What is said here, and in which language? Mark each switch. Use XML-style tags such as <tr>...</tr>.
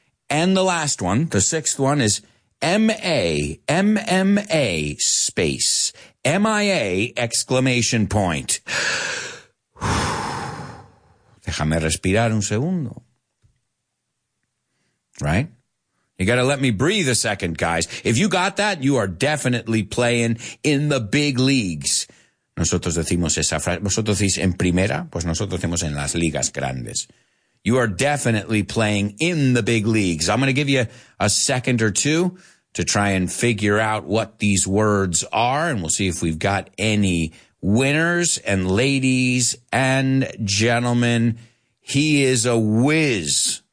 <en>And the last one, the sixth one, is M-A-M-M-A space M-I-A exclamation point.</en> <es>Déjame respirar un segundo.</es> <en>Right? You got to let me breathe a second, guys. If you got that, you are definitely playing in the big leagues.</en> <es>Nosotros decimos esa frase. Vosotros decís en primera, pues nosotros decimos en las ligas grandes.</es> <en>You are definitely playing in the big leagues. I'm going to give you a second or two to try and figure out what these words are, and we'll see if we've got any winners. And ladies and gentlemen, he is a whiz.</en>